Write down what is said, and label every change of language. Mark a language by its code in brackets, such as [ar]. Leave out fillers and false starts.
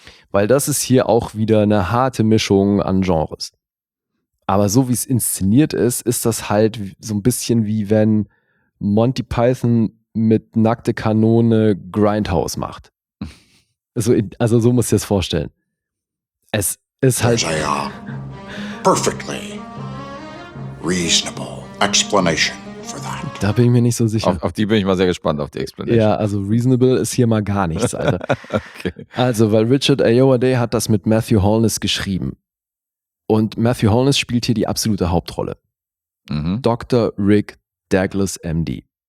[de] Weil das ist hier auch wieder eine harte Mischung an Genres. Aber so wie es inszeniert ist, ist das halt so ein bisschen wie wenn Monty Python mit nackte Kanone Grindhouse macht. Also so musst du dir das vorstellen. Es ist halt... Ja. [en] Perfectly reasonable explanation for that. [de] Da bin ich mir nicht so sicher. Auf die bin ich mal sehr gespannt, auf die Explanation. Ja, also reasonable ist hier mal gar nichts, Alter. Okay. Also, weil Richard Ayoade hat das mit Matthew Holness geschrieben. Und Matthew Holness spielt hier die absolute Hauptrolle. Mhm. Dr. Rick Douglas, MD.